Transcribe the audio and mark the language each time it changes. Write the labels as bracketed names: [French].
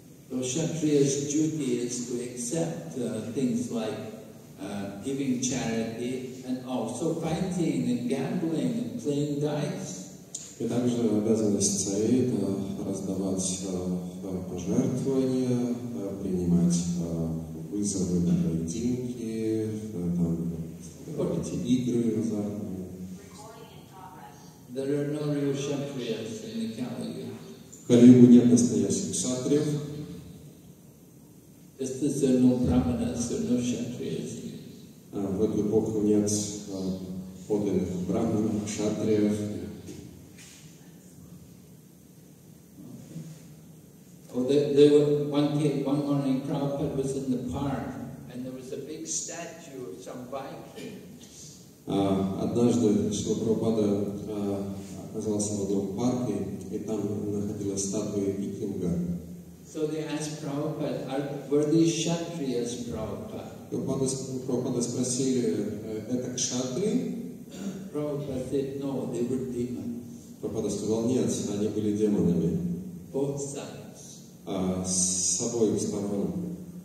[English] So Kshatriya's duty is to accept things like giving charity and also fighting and gambling and playing dice. [Russian] И также обязанность царей – это раздавать пожертвования, принимать вызовы на поединки, эти игры азартные. [English] There are no real kshatriyas in the Kali Yuga. [Russian] В Кали-Югу нет настоящих кшатриев. [English] Just that there are no brahmanas or no kshatriyas. [Russian] В эту эпоху нет подлинных брахманов, кшатриев. [English] One morning Prabhupada was in the park and there was a big statue of some Viking. [Russian] Однажды Шрила Прабхупада оказался в одном парке, и там находилась статуя викинга. [English] So they asked Prabhupada, were these kshatriyas, Prabhupada? [Russian] Прабхупада спросили, это кшатри? [English] Prabhupada said, no, they were demons. [Russian] Прабхупада сказал, нет, они были демонами. [English] Both sides. [Russian] С собой с бароном.